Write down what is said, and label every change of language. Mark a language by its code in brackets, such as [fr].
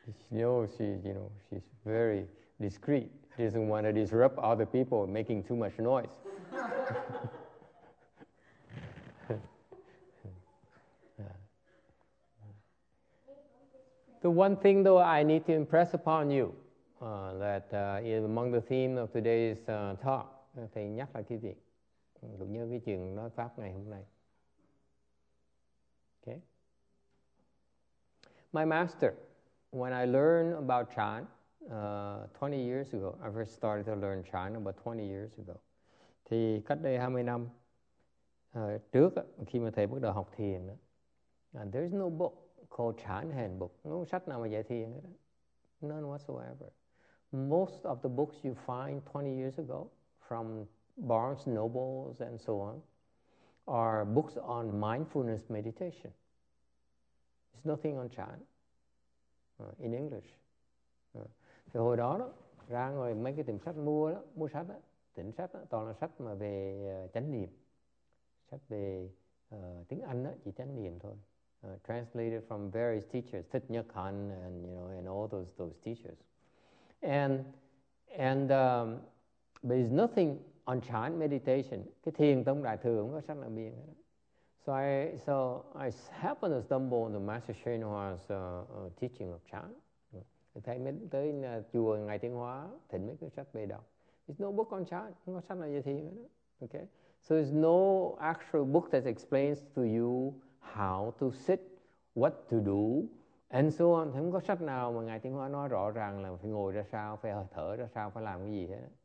[en] she's very discreet. Doesn't want to disrupt other people, making too much noise. The one thing, though, I need to impress upon you that is among the theme of today's talk. [vi] Thầy nhắc lại cái gì? Cũng như cái chuyện nói pháp ngày hôm nay. [en] Okay. My master, when I learned about Chan 20 years ago, I first started to learn Chan about 20 years ago. [vi] Thì cách đây 20 năm trước, khi mà thầy bắt đầu học thiền, [en] there is no book called Chan Handbook. [vi] No sách nào mà dạy thiền hết. [en] None whatsoever. Most of the books you find 20 years ago from Barnes & Noble and so on are books on mindfulness meditation. There's nothing on Chan in English. [vi] Thì hồi đó, ra ngoài mấy cái tiệm sách mua sách, tỉnh sách, toàn là sách mà về chánh niệm. Sách về tiếng Anh chỉ chánh niệm thôi. [en] Translated from various teachers, Thich Nhat Hanh and all those teachers, but there's nothing on Chan meditation. [vi] Cái thiền tông đại thừa không có sách nào biên. [en] So I happened to stumble on the Master Shen Hua's teaching of Chan. [vi] Thầy mới tới chùa ngày Tiên Hóa thỉnh mấy cái sách về đọc. [en] There's no book on Chan, [vi] không có sách nào về thiền. [en] Okay, so there's no actual book that explains to you how to sit, what to do, and so on. [vi] Không có sách nào mà Ngài Tiên Hóa nói rõ ràng là phải ngồi ra sao, phải hơi thở ra sao, phải làm cái gì hết.